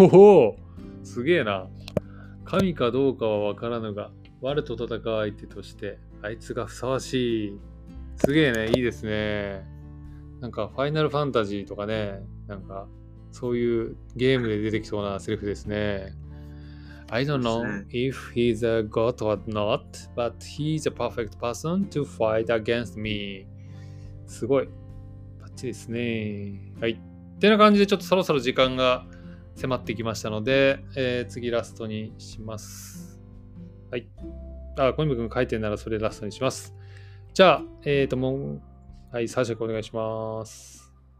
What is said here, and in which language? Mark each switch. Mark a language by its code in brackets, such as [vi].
[ja] ほほう、すげえな。神かどうかはわからぬが、我と戦う相手としてあいつがふさわしい。すげえね、いいですね。なんか、ファイナルファンタジーとかね、なんか、そういうゲームで出てきそうなセリフですね。 [en] I don't know if he's a god or not, but he's a perfect person to fight against me. [ja] すごい。バッチリですね。はい。ってな感じで、ちょっとそろそろ時間が迫ってきましたので、次ラストにします。はい。あ、小泉くん書いてんならそれラストにします。じゃあ、はい、サーシャお願いします。